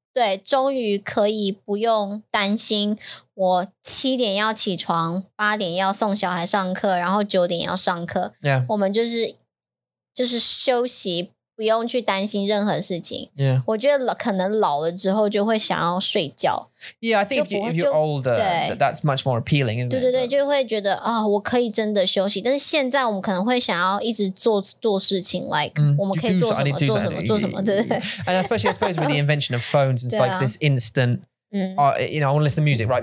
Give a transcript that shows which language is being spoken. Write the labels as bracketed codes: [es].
[zh] 对, 终于可以不用担心, 我7点要起床, 8点要送小孩上课, 然后9点要上课。 [en] Yeah. [zh] 我们就是休息, 不用去担心任何事情。 [en] Yeah. [zh] 我觉得可能老了之后就会想要睡觉。 [en] Yeah, I think if you're older, that's much more appealing, isn't it? [zh] 对对对, 就会觉得, 哦, 我可以真的休息, 但是现在我们可能会想要一直做事情, [en] like, [zh] 我们可以做什么,做什么,做什么,对对。 [en] And especially with the invention of phones, it's like this instant, you know, I want to listen to music, right?